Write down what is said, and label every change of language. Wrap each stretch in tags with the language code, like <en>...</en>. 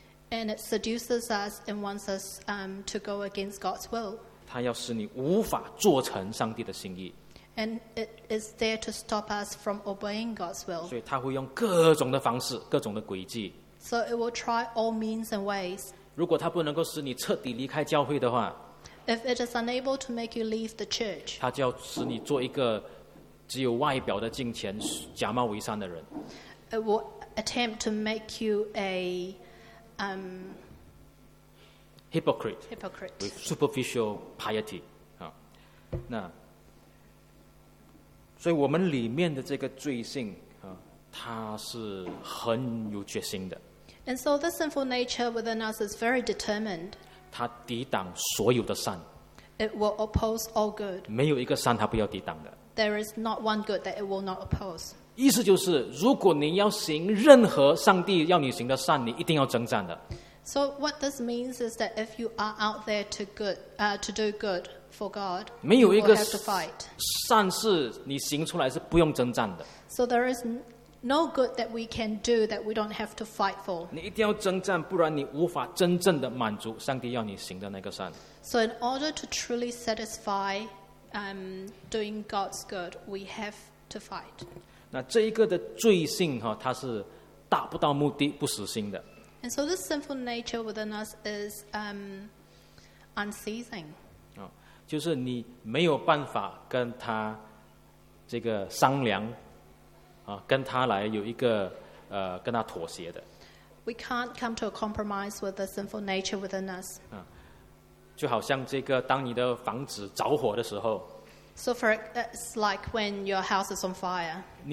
<en>and it seduces us and wants us to go against God's will.</en> <zh>他要使你无法做成上帝的心意,</zh> <en>and it is there to stop us from obeying God's will.</en> <zh>所以他会用各种的方式, 各种的轨迹,</zh> <en>so it will try all means and ways.</en> <zh>如果他不能够使你彻底离开教会的话,</zh> <en>if it is unable to make you leave the church,</en> <zh>他就要使你做一个 只有外表的敬虔, 假冒为善的人,</zh> <en>it will attempt to make you a hypocrite, hypocrite with superficial piety.</en> <zh>那, 所以我们里面的这个罪性, 它是很有决心的,</zh> <en>and so the sinful nature within us is very determined.</en> <zh>它抵挡所有的善,</zh> <en>it will oppose all good.</en> <zh>没有一个善它不要抵挡的,</zh> <en>there is not one good that it will not oppose.</en> <zh>意思就是, 如果你要行任何上帝要你行的善, 你一定要征战的。</zh> <en>So what this means is that if you are out there to good, to do good for God,</en> <zh>没有一个善是,</zh> <en>you will have to fight.</en> <zh>善是你行出来是不用征战的。</zh> <en>So there is no good that we can do that we don't have to fight for.</en> <zh>你一定要征战, 不然你无法真正的满足上帝要你行的那个善。</zh> <en>So in order to truly satisfy doing God's good, we have to fight.</en> <zh>那这一个的罪性哈, 它是达不到目的不死心的。</zh> <en>And so this sinful nature within us is unceasing.</en> <zh>就是你没有办法跟他这个商量，跟他来有一个跟他妥协的。</zh> <en>We can't come to a compromise with the sinful nature within us.</en> <zh>就好像这个当你的房子着火的时候,</zh> <en>so for it's like when your house is on fire.</en>